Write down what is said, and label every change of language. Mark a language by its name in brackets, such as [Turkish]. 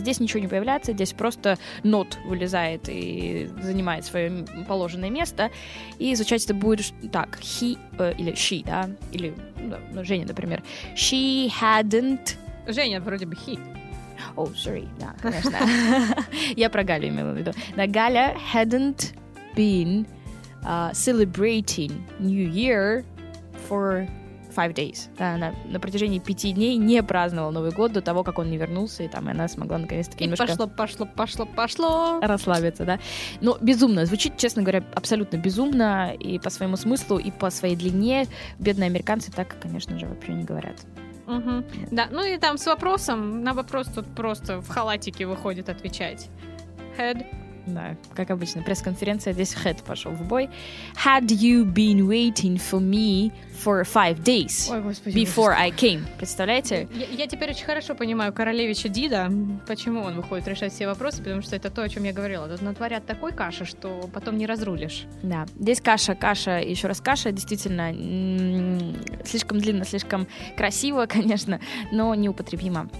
[Russian] Здесь ничего не появляется, здесь просто not вылезает и занимает свое положенное место. И звучать это будет так: he или she, да, или ну, Женя, например. [English] She hadn't. [Russian] Женя вроде бы he. [English] Oh, sorry, [Russian] да, конечно. Я про Галю имела в виду. [English] Да, Галя hadn't been celebrating New Year for 5 days. [Russian] Да, она на протяжении 5 дней не праздновала Новый год до того, как он не вернулся, и там и она смогла наконец-таки и немножко... пошло. Расслабиться, да. Но безумно. Звучит, честно говоря, абсолютно безумно и по своему смыслу, и по своей длине. Бедные американцы так, конечно же, вообще не говорят. Угу. Да, ну и там с вопросом, на вопрос тут просто в халатике выходит отвечать. [English] Had. [Russian] Да, как обычно, пресс-конференция, здесь head пошел в бой. [English] Had you been waiting for me for 5 days? [Russian] Ой, господи, [English] before I came? [Russian] Представляете? Я теперь очень хорошо понимаю королевича Дида, почему он выходит решать все вопросы, потому что это то, о чем я говорила. Тут натворят такой каши, что потом не разрулишь. Да, здесь каша, еще раз каша, действительно, слишком длинно, слишком красиво, конечно, но неупотребимо.